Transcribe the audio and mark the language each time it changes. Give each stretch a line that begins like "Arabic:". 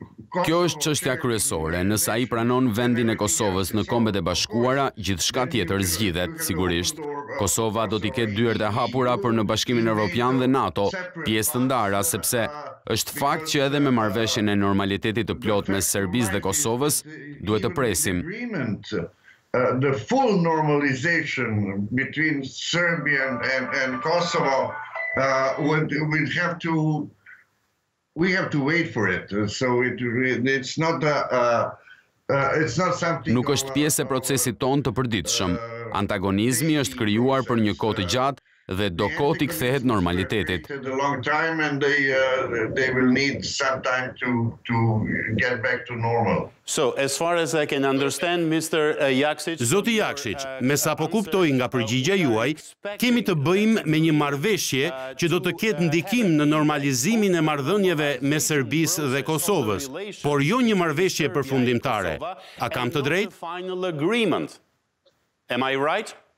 Albanian: Kjo është çështja kryesore. Nëse ai pranon vendin e Kosovës në Kombet e Bashkuara, gjithçka tjetër zgjidhet sigurisht. Kosova do t'i ketë dyert e hapura për në Bashkimin Evropian dhe NATO, pjesë të ndara, sepse është fakt që edhe me marrëveshjen e normalitetit të plot me Serbisë dhe Kosovës, duhet të presim.
English: The full normalization between Serbia and Kosovo we have to wait for it. So it's not something.
Albanian: Nuk është pjesë e procesit ton të përditshëm. Antagonizmi është krijuar për një kohë të gjatë dhe do kohë të kthehet normalitetit.
English: A long time and they will need some time to get back to normal. So, as far as I can understand, Mr. Jakshiç...
Albanian: Zoti Jakshiç, me sa po kuptoj nga përgjigja juaj, kemi të bëjmë me një marrëveshje që do të ketë ndikim në normalizimin e marrëdhënieve me Serbisë dhe Kosovës, por jo një marrëveshje përfundimtare. A kam të drejtë?
English: Final agreement. Am I right?